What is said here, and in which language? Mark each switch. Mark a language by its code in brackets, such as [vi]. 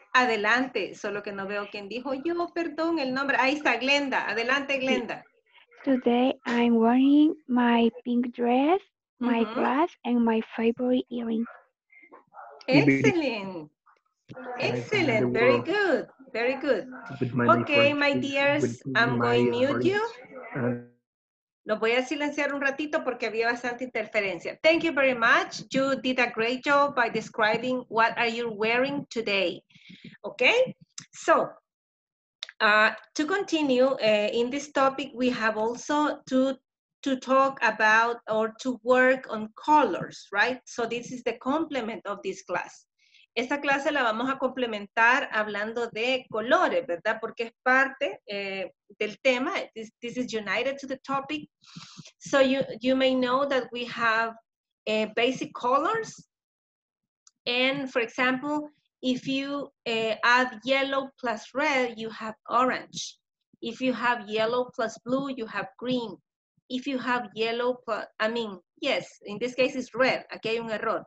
[es] Adelante, solo que no veo quién dijo yo, perdón, el nombre. Ahí está, Glenda. Adelante, Glenda. [en] Today I'm wearing my pink dress, my glass, and my favorite earrings. Excellent. Excellent. Very good. Very good. Okay, my dears, I'm going to mute you. [es] Los voy a silenciar un ratito porque había bastante interferencia. [en] Thank you very much. You did a great job by describing what are you wearing today. Okay? So, to continue, in this topic, we have also to talk about or to work on colors, right? So this is the complement of this class. [es] Esta clase la vamos a complementar hablando de colores, ¿verdad? Porque es parte del tema. [en] This is united to the topic. So you may know that we have basic colors. And for example, if you add yellow plus red, you have orange. If you have yellow plus blue, you have green. If you have yellow plus, in this case it's red. [es] Aquí hay un error.